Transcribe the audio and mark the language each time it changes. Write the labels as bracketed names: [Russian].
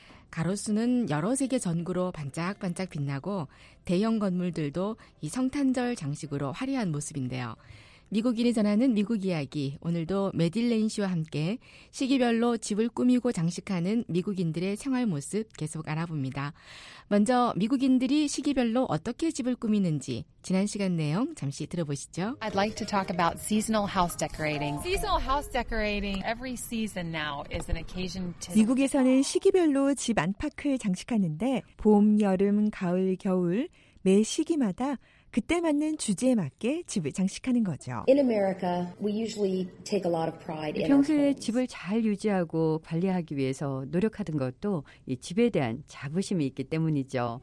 [Korean] 가로수는 여러 색의 전구로 반짝반짝 빛나고 대형 건물들도 이 성탄절 장식으로 화려한 모습인데요. 미국인이 전하는 미국 이야기, 오늘도 메딜레인 씨와 함께 시기별로 집을 꾸미고 장식하는 미국인들의 생활 모습 계속 알아봅니다. 먼저 미국인들이 시기별로 어떻게 집을 꾸미는지 지난 시간 내용 잠시 들어보시죠. [English] I'd like to talk about seasonal house decorating. Seasonal house decorating. Every season now is an occasion to. [Korean] 미국에서는 시기별로 집 안팎을 장식하는데 봄, 여름, 가을, 겨울 매 시기마다 그때 맞는 주제에 맞게 집을 장식하는 거죠. [English] In America, we usually take a lot of pride in [Korean] 평소에 집을 잘 유지하고 관리하기 위해서 노력하던 것도 이 집에 대한 자부심이 있기 때문이죠.